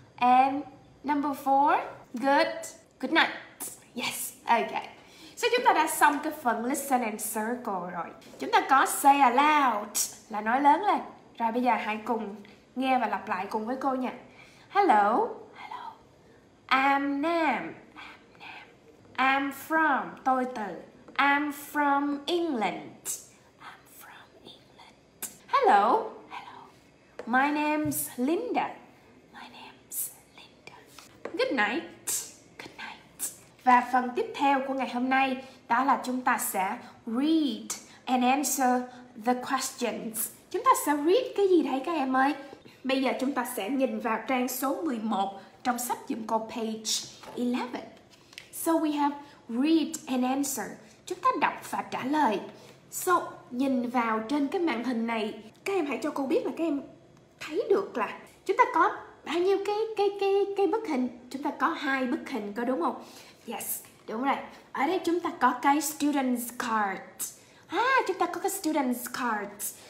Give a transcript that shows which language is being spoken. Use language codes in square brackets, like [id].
[en] And number 4, good night. Yes, okay. [vi] So chúng ta đã xong cái phần listen and circle rồi. Chúng ta có say aloud là nói lớn lên. Rồi bây giờ hãy cùng nghe và lặp lại cùng với cô nha. [en] Hello. Hello. I'm Nam. I'm from, [vi] tôi từ. [en] I'm from England. I'm from England. Hello. Hello. My name's Linda. My name's Linda. Good night. Good night. [vi] Và phần tiếp theo của ngày hôm nay đó là chúng ta sẽ [en] read and answer the questions. [vi] Chúng ta sẽ read cái gì đấy các em ơi? Bây giờ chúng ta sẽ nhìn vào trang số 11 trong sách giùm cô page 11. [en] So we have read and answer. [vi] Chúng ta đọc và trả lời. So, nhìn vào trên cái màn hình này, các em hãy cho cô biết là các em thấy được là chúng ta có bao nhiêu cái bức hình? Chúng ta có hai bức hình, có đúng không? Yes, đúng rồi. Ở đây chúng ta có cái student's card. À, chúng ta có cái student's card.